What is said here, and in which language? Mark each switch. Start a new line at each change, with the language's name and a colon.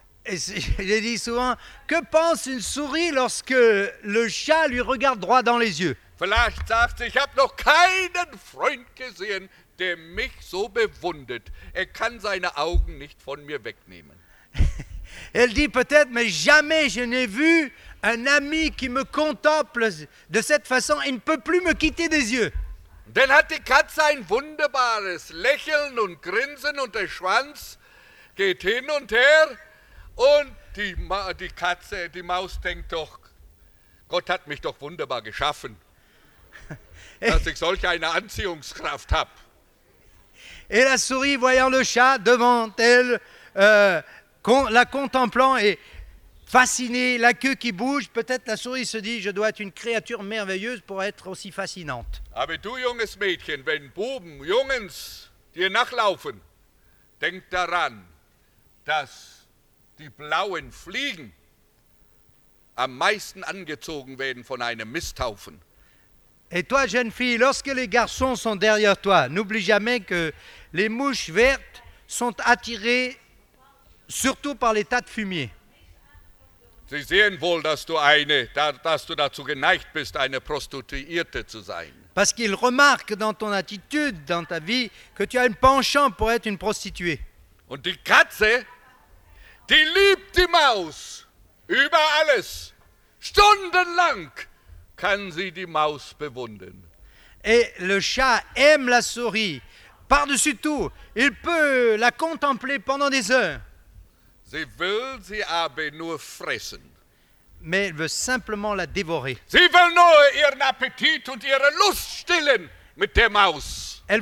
French: Je dis souvent, que pense une souris lorsque le chat lui regarde droit dans les yeux?
German: Vielleicht sagt sie, ich habe noch keinen Freund gesehen, der mich so bewundert. Er kann seine Augen nicht von mir wegnehmen.
French: Elle dit peut-être, mais jamais je n'ai vu un ami qui me contemple de cette façon et ne peut plus me quitter des yeux.
German: Dann hat die Katze ein wunderbares Lächeln und Grinsen und der Schwanz geht hin und her. Und die Maus denkt doch, Gott hat mich doch wunderbar geschaffen, dass ich solch eine Anziehungskraft hab.
French: Et la souris voyant le chat devant elle, la contemplant et fascinée, la queue qui bouge, peut-être la souris se dit, je dois être une créature merveilleuse pour être aussi fascinante.
German: Aber du junges Mädchen, wenn Buben, Jungens dir nachlaufen, denk daran, dass die blauen Fliegen am meisten angezogen werden von einem Misthaufen.
French: Et toi, jeune fille, lorsque les garçons sont derrière toi, n'oublie jamais que les mouches vertes sont attirées surtout par les tas de fumier.
German: Sie sehen wohl, dass du dazu geneigt bist, eine Prostituierte zu sein.
French: Parce qu'ils remarquent dans ton attitude, dans ta vie, que tu as un penchant pour être une prostituée.
German: Und die Katze, die liebt die Maus über alles. Stundenlang kann sie die Maus bewundern.
French: Et le chat aime la souris. Par-dessus tout, il peut la contempler pendant des heures.
German: Sie will sie aber nur fressen.
French: Mais elle veut simplement la dévorer.
German: Sie will nur ihren Appetit und ihre Lust stillen mit der Maus.